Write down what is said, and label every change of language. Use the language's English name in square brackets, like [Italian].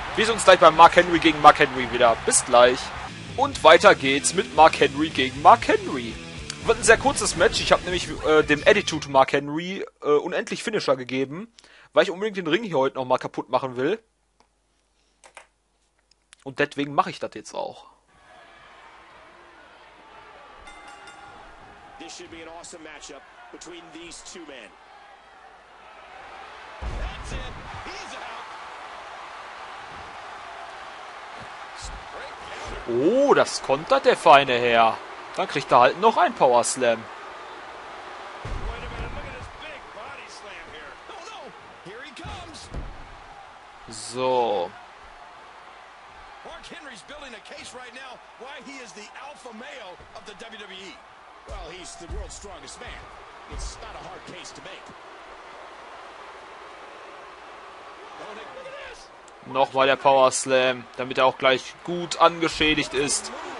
[German] Wir sehen uns gleich bei Mark Henry gegen Mark Henry wieder. Bis gleich. Und weiter geht's mit Mark Henry gegen Mark Henry. Wird ein sehr kurzes Match. Ich habe nämlich dem Attitude Mark Henry unendlich Finisher gegeben, weil ich unbedingt den Ring hier heute nochmal kaputt machen will. Und deswegen mache ich das jetzt auch. [English] This should be an awesome matchup between these two men. That's it. He's out. [German] Oh, das kontert der feine Herr. Dann kriegt er halt noch ein Power Slam. [English] Wait a minute, look at this big body slam here. Oh no, here he comes. So. Mark Henry's building a case right now why he is the alpha male of the WWE. Well, he's the world's strongest man. It's not a hard case to make. [German] Nochmal der Power Slam, damit er auch gleich gut angeschädigt ist.